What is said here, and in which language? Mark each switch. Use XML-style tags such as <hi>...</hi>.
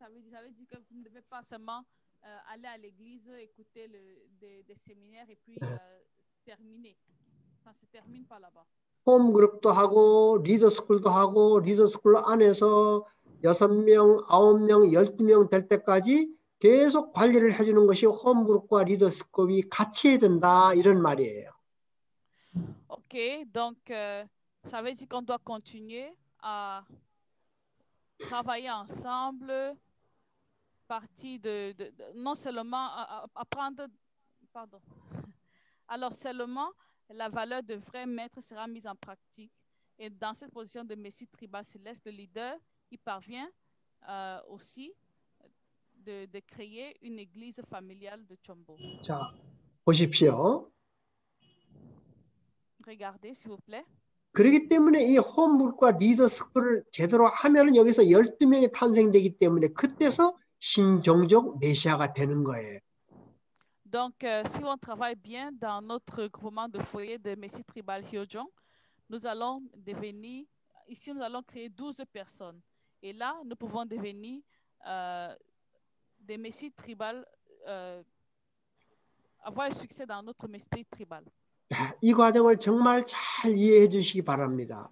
<fr>J'avais dit que vous ne devez pas seulement aller à l'église, écouter des séminaires et puis terminer. Ça se termine pas là-bas.</fr> <ko>Home group도 하고, leader school도 하고, leader school 안에서 6명, 9명, 12명 될 때까지 계속 관리를 해주는 것이 home group과 leader school이 같이 해야 된다 이런 말이에요.</ko> <fr>Ok, donc ça veut dire qu'on doit continuer à travailler ensemble. Partie de non seulement apprendre pardon alors seulement la valeur de vrai maître sera mise en pratique et dans cette position de messie tribal céleste le leader il parvient aussi de créer une église familiale de Chombo.</fr> <ko>자 보십시오.</ko> <fr>Regardez s'il vous plaît.</fr> <ko>그렇기 때문에 이 홈부과 리더 스쿨을 제대로 하면은 여기서 12명이 탄생되기 때문에 그때서 신종족 메시아가 되는 거예요.</ko> <fr>Donc si on travaille bien dans notre groupement de foyer de messie tribal Hyojong, nous allons devenir ici nous allons créer 12 personnes Et là, nous pouvons devenir des messies tribales, avoir un succès dans notre messie tribale.</fr> <ko>이 과정을 정말 잘 이해해 주시기 바랍니다.</ko>